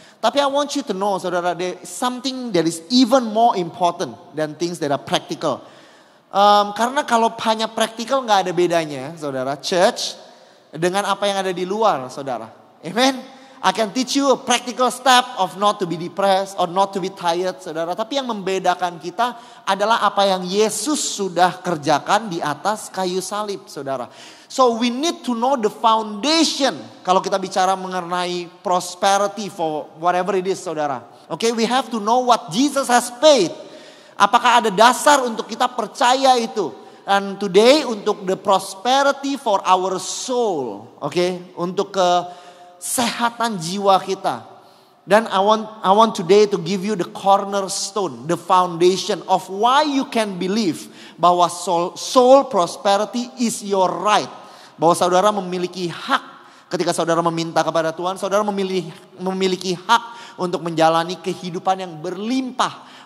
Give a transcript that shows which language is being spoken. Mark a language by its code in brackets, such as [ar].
[en] Tapi I want you to know, saudara, there's something that is even more important than things that are practical. [id] Karena kalau hanya practical, nggak ada bedanya, saudara. Church dengan apa yang ada di luar, saudara. Amen. [en] I can teach you a practical step of not to be depressed or not to be tired, saudara. [id] Tapi yang membedakan kita adalah apa yang Yesus sudah kerjakan di atas kayu salib, saudara. [en] So we need to know the foundation [id] kalau kita bicara mengenai [en] prosperity for whatever it is, saudara. Okay, we have to know what Jesus has paid. [id] Apakah ada dasar untuk kita percaya itu? [en] And today untuk the prosperity for our soul, okay, [id] untuk kesehatan jiwa kita. [en] Dan I want today to give you the cornerstone, the foundation of why you can believe bahwa soul prosperity is your right. [id] Bahwa saudara memiliki hak ketika saudara meminta kepada Tuhan, saudara memiliki hak untuk menjalani kehidupan yang berlimpah.